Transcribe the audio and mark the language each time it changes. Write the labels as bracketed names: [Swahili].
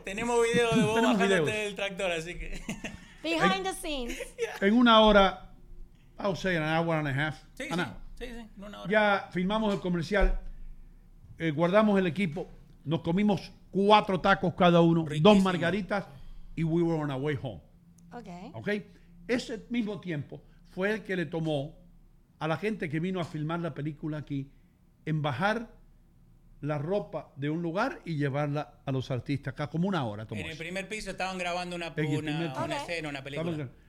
[Spanish] Tenemos video de vos bajándote del tractor, así que. [English] Behind the scenes. [Spanish] En una hora. [English] I'll say an hour and a half. [Spanish] Sí, [English] an [Spanish] hour. Sí, sí, una hora. Ya filmamos el comercial, guardamos el equipo, nos comimos 4 tacos cada uno, riquísimo, [English] 2 margaritas, y we were on our way home. Ok. Ok. [Spanish] Ese mismo tiempo fue el que le tomó a la gente que vino a filmar la película aquí en bajar la ropa de un lugar y llevarla a los artistas acá, como una hora tomó. En el primer piso estaban grabando una escena, una película.